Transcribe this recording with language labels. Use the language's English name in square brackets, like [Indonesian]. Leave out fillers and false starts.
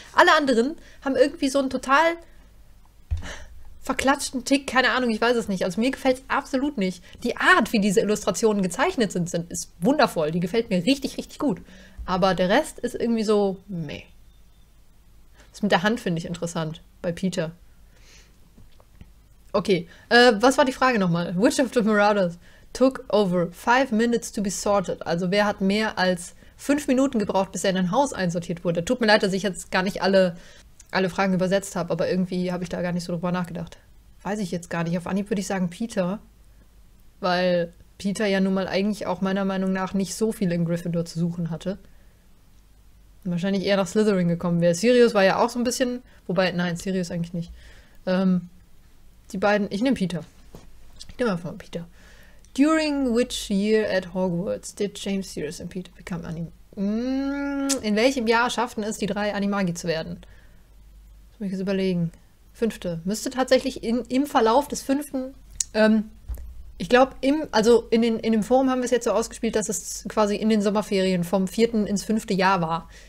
[German] Alle anderen haben irgendwie so einen total verklatschten Tick, keine Ahnung, ich weiß es nicht. Also mir gefällt es absolut nicht. Die Art, wie diese Illustrationen gezeichnet sind, ist wundervoll. Die gefällt mir richtig, richtig gut. Aber der Rest ist irgendwie so, meh. Das mit der Hand finde ich interessant bei Peter. Okay, was war die Frage nochmal? [English] Which of the Marauders took over 5 minutes to be sorted? [German] Also wer hat mehr als 5 Minuten gebraucht, bis er in ein Haus einsortiert wurde? Tut mir leid, dass ich jetzt gar nicht alle Fragen übersetzt habe, aber irgendwie habe ich da gar nicht so drüber nachgedacht. Weiß ich jetzt gar nicht. Auf Anhieb würde ich sagen Peter, weil Peter ja nun mal eigentlich auch meiner Meinung nach nicht so viel in Gryffindor zu suchen hatte. Wahrscheinlich eher nach Slytherin gekommen wäre. Sirius war ja auch so ein bisschen, wobei, nein, Sirius eigentlich nicht. Die beiden, ich nehme Peter. Ich nehme einfach mal Peter. [English] During which year at Hogwarts did James Sirius and Peter become Animagi? [German] In welchem Jahr schafften es die drei Animagi zu werden? Muss ich jetzt überlegen. Fünfte. Müsste tatsächlich im Verlauf des fünften. Ich glaube, also in dem Forum haben wir es jetzt so ausgespielt, dass es quasi in den Sommerferien vom vierten ins fünfte Jahr war.